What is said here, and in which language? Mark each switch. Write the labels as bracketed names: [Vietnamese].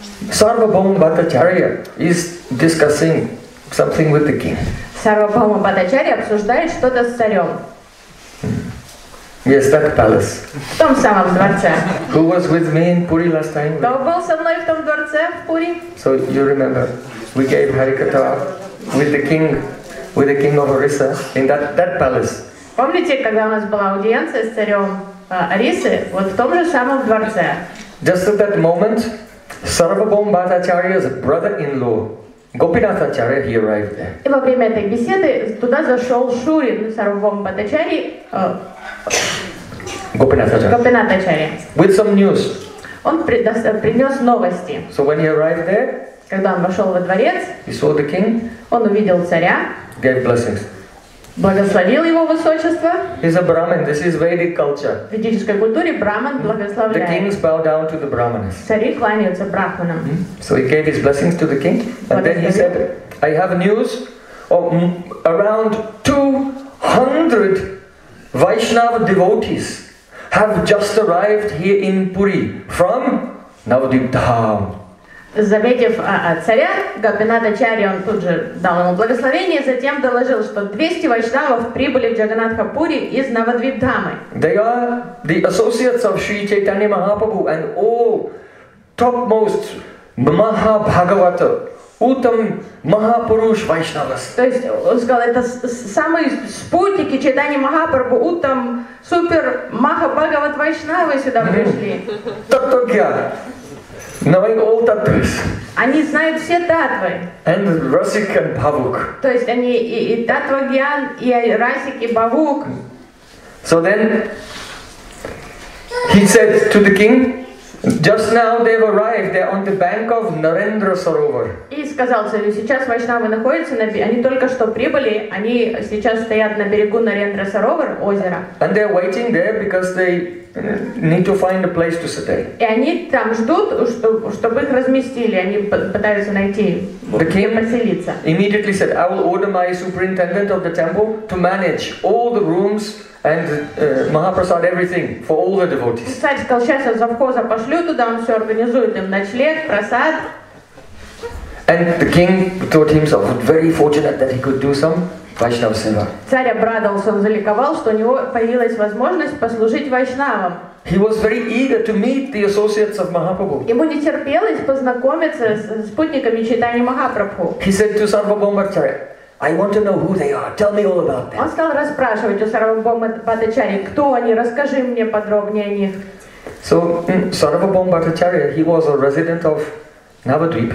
[English] Sarvabhauma Bhattacharya is discussing something with the king. [Russian] Sarvabhauma Bhattacharya обсуждает что-то с царем. [English] Yes, that palace. [Russian] В том самом дворце. [English] Who was with me in Puri last time? [Russian] Кто был со мной в том дворце в Пури? [English] So you remember, we gave Harikatha with the king. With the king of Orissa in that palace. [Russian] Помните, когда у нас была аудиенция с царем Орисы, вот в том же самом дворце. [English] Just at that moment, Sarvabhauma Bhattacharya's brother-in-law, Gopinath Acharya, he arrived there. [Russian] И во время этой беседы туда зашел Шурин Сарвабхаума Бхаттачарьи. Гопинат Ачарья. [English] With some news. [Russian] Он принес новости. [English] So when he arrived there, [Russian] когда он вошел во дворец, [English] he saw the king. [Russian] Он увидел царя. [English] Gave blessings. [Russian] Благословил его высочество. [English] He's a Brahmin. This is Vedic culture. [Russian] В ведической культуре Браман благословляет. [English] The kings bow down to the Brahmanas. [Russian] Цари кланяются Брахманам. Mm-hmm. [English] So he gave his blessings to the king. And then he said, I have news of around 200 Vaishnava devotees have just arrived here in Puri from Navadvip Dham. [Russian] Заметив царя, Гопинат Ачарья, он тут же дал ему благословение, затем доложил, что 200 вайшнавов прибыли в Джаганнатха Пури из Навадвип Дхамы. [English] They are the associates of Sri Chaitanya Mahaprabhu and all topmost Mahabhagavata, Utam Mahapurush Vaishnavas. [Russian] То есть, он сказал, это самые спутники Чайтаньи Махапрабху, Утам Супер Махабхагават Вайшнавы сюда пришли. [English] Таттогья. Knowing all tattvas. [Russian] Они знают все татвы. [English] And Rasik and Bhavuk. [Russian] То есть они и татвагьян, и Расик, и Бхавук. [English] So then he said to the king, just now they've arrived, they're on the bank of Narendra Sarovar. [Russian] И сказал царю, сейчас вайшнавы находятся на берегу, они только что прибыли, они сейчас стоят на берегу Нарендра Саровар, озера. [English] And they're waiting there because they need to find a place to stay. [Russian] И они там ждут, чтобы их разместили, они пытаются найти, где поселиться. [English] Immediately said, I will order my superintendent of the temple to manage all the rooms and Mahaprasad, everything for all the devotees. [Russian] Царь сказал, сейчас я завхоза пошлю туда, он все организует им ночлег, просад. [English] And the king thought himself very fortunate that he could do some Vaishnava seva. [Russian] Царь обрадовался, он заликовал, что у него появилась возможность послужить вайшнавам. [English] He was very eager to meet the associates of Mahaprabhu. [Russian] Ему не терпелось познакомиться с спутниками Чайтаньи Махапрабху. [English] He said to Сарвабхаумачарья, I want to know who they are. Tell me all about them. [Russian] Он стал расспрашивать у Сарвабхаумачарья, кто они, расскажи мне подробнее о них. [English] So Сарвабхаумачарья, he was a resident of Navadvip.